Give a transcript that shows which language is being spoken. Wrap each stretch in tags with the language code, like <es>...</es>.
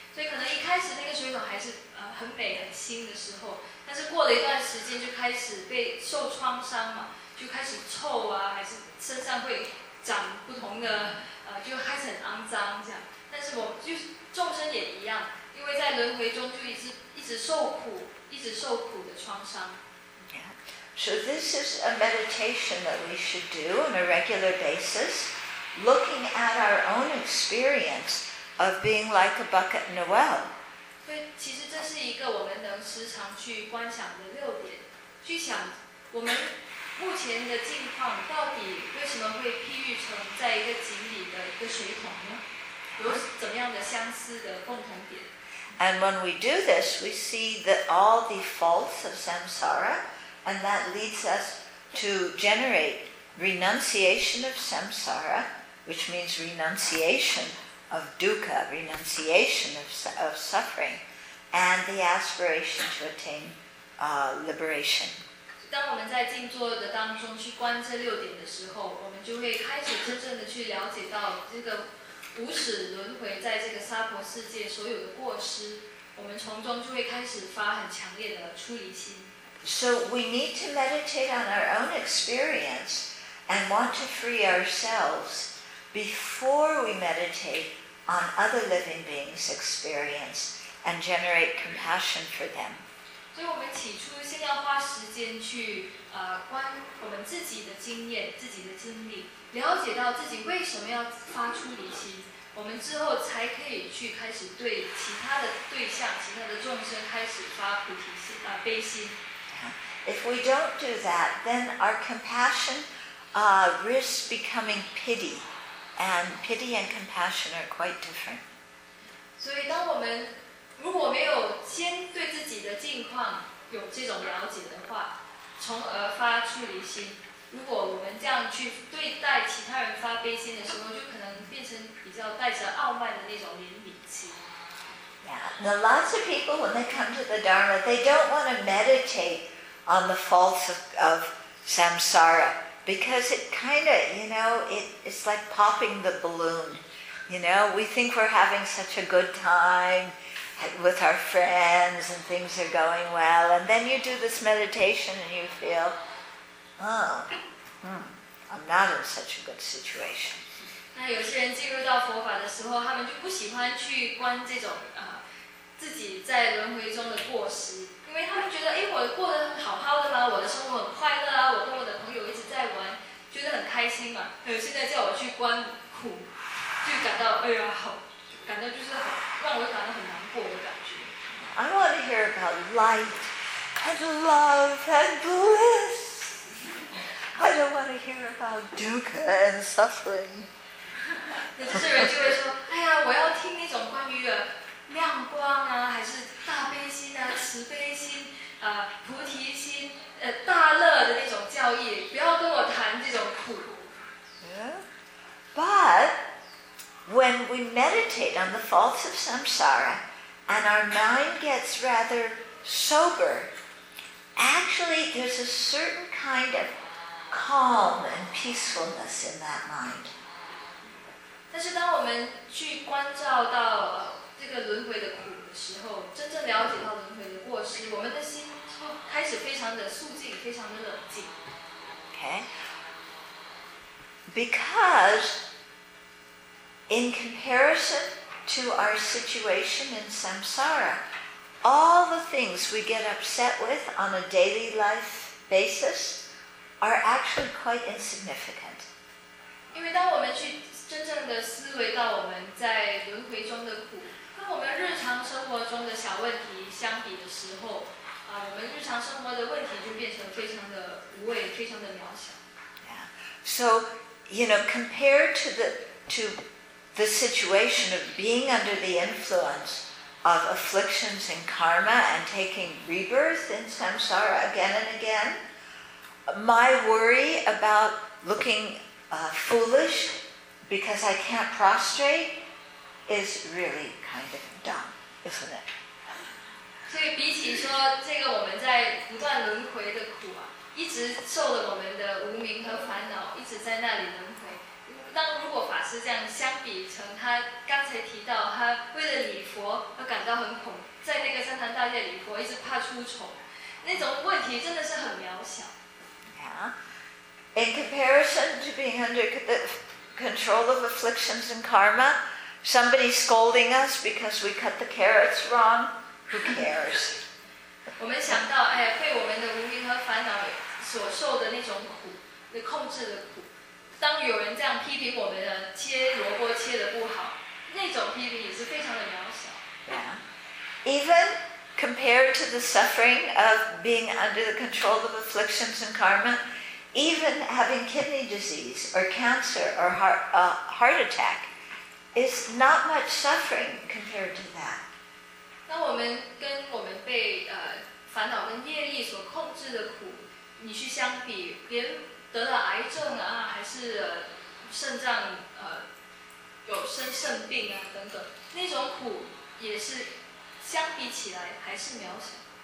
<zh>所以可能一开始那个水桶还是很美很新的时候，但是过了一段时间就开始被受创伤嘛，就开始臭啊，还是身上会长不同的就开始很肮脏这样。但是我就众生也一样，因为在轮回中就一直受苦，一直受苦的创伤。</zh> <en>So this is a meditation that we should do on a regular basis, looking at our own experience of being like a bucket in a well.</en> <zh>所以其实这是一个我们能时常去观想的六点，去想我们目前的境况到底为什么会譬喻成在一个井里的一个水桶呢？有怎么样的相似的共同点？</zh> <en>And when we do this, we see that all the faults of samsara,And that leads us to generate renunciation of samsara, which means renunciation of dukkha, renunciation of suffering, and the aspiration to attain liberation.</en> <zh>当我们在静坐的当中去观这六点的时候，我们就会开始真正的去了解到这个无始轮回在这个娑婆世界所有的过失，我们从中就会开始发很强烈的出离心。</zh> <en>So we need to meditate on our own experience and want to free ourselves before we meditate on other living beings' experience and generate compassion for them.</en> <zh>所以我们起初先要花时间去观我们自己的经验、自己的经历，了解到自己为什么要发出离心，我们之后才可以去开始对其他的对象、其他的众生开始发菩提心啊悲心。</zh> <en>If we don't do that, then our compassion risks becoming pity. And pity and compassion are quite different.</en> <zh>所以当我们如果没有先对自己的境况有这种了解的话，从而发出离心，如果我们这样去对待其他人发悲心的时候，就可能变成比较带着傲慢的那种怜悯心。</zh> <en>Yeah. Now lots of people when they come to the Dharma, they don't want to meditate on the faults of samsara because it kind of, you know, it's like popping the balloon. You know, we think we're having such a good time with our friends and things are going well. And then you do this meditation and you feel, I'm not in such a good situation.</en> <zh>那有些人进入到佛法的时候，他们就不喜欢去观这种自己在轮回中的过失，因为他们觉得，哎，我过得好好的啦，我的生活很快乐啊，我跟我的朋友一直在玩，觉得很开心嘛。有现在叫我去观苦，就感到哎呀，好，感到就是好，让我感到很难过的感觉。</zh> <en>I want to hear about light and love and bliss. I don't want to hear about dukkha and suffering.</en> <zh>有些人就会说，哎呀，我要听那种关于亮光啊，还是大悲心啊，慈悲心啊，菩提心，大乐的那种教义，不要跟我谈这种苦。</zh> <en>But when we meditate on the faults of samsara and our mind gets rather sober, actually there's a certain kind of calm and peacefulness in that mind.</en> <zh>但是当我们去关照到这个轮回的苦的时候，真正了解到轮回的过失，我们的心就开始非常的肃静，非常的冷静。</zh> <en>Okay. Because in comparison to our situation in samsara, all the things we get upset with on a daily life basis are actually quite insignificant.</en> <zh>因为当我们去真正的思维到我们在轮回中的苦，跟我们日常生活中的小问题相比的时候，我们日常生活的问题就变成非常的无谓，非常的渺小。</zh> <en>Yeah. So, you know, compared to the situation of being under the influence of afflictions and karma and taking rebirth in samsara again and again, my worry about looking foolish because I can't prostrate is really kind of dumb, isn't it?</en> <zh>所以比起说这个我们在不断轮回的苦啊，一直受了我们的无明和烦恼，一直在那里轮回。当如果法师这样相比成他刚才提到他为了礼佛而感到很恐，在那个三坛大戒礼佛一直怕出丑，那种问题真的是很渺小。</zh> <en>Yeah. In comparison to being under the control of afflictions and karma,Somebody scolding us because we cut the carrots wrong, who cares?</en> <zh>我们想到，哎，被我们的无明和烦恼所受的那种苦，那控制的苦，当有人这样批评我们的切萝卜切得不好，那种批评也是非常的渺小。</zh> <en>Yeah. Even compared to the suffering of being under the control of afflictions and karma, even having kidney disease or cancer or heart attack,It's not much suffering compared to that.</en> <zh>那我们跟我们被烦恼跟业力所控制的苦，你去相比，连得了癌症啊，还是肾脏有肾病啊等等，那种苦也是相比起来还是渺小。</zh>